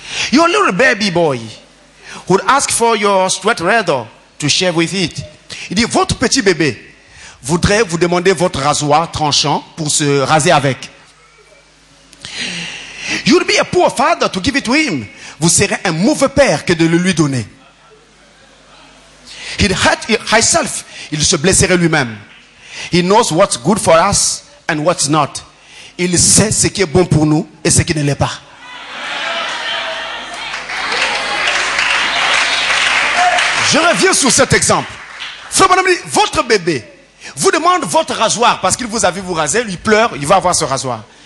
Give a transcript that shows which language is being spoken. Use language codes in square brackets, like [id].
[en] Your little baby boy would ask for your sweatshirt to share with it. [fr] Il dit, votre petit bébé voudrait vous demander votre rasoir tranchant pour se raser avec. [en] You'd be a poor father to give it to him. [fr] Vous serez un mauvais père que de le lui donner. [en] He'd hurt himself. [fr] Il se blesserait lui-même. [en] He knows what's good for us and what's not. [fr] Il sait ce qui est bon pour nous et ce qui ne l'est pas. Je reviens sur cet exemple. Frère Bonhomme dit, votre bébé vous demande votre rasoir parce qu'il vous a vu vous raser, lui pleure, il va avoir ce rasoir.